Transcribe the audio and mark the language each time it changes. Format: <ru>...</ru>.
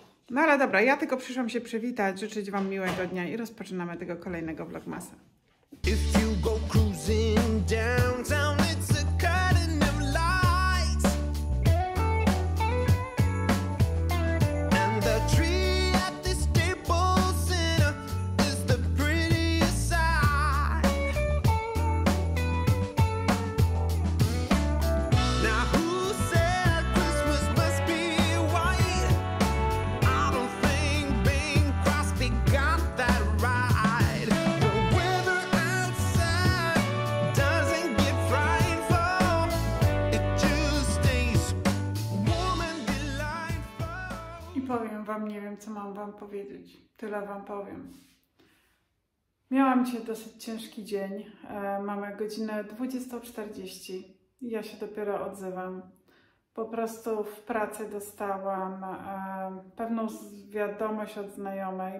<pl>No ale dobra, ja tylko przyszłam się przywitać, życzyć Wam miłego dnia i rozpoczynamy tego kolejnego vlogmasa.</pl> <en>If you go cruising downtown, it's a curtain of lights. And the tree at the Staples Center is the prettiest sight. Now who said Christmas must be white? I don't think Bing Crosby got that right. The weather outside doesn't get frightful. It just stays warm and delightful.</en> <pl>I powiem Wam, nie wiem co mam Wam powiedzieć. Tyle Wam powiem. Miałam dzisiaj dosyć ciężki dzień. Mamy godzinę 20:40. Ja się dopiero odzywam. Po prostu w pracy dostałam pewną wiadomość od znajomej.</pl>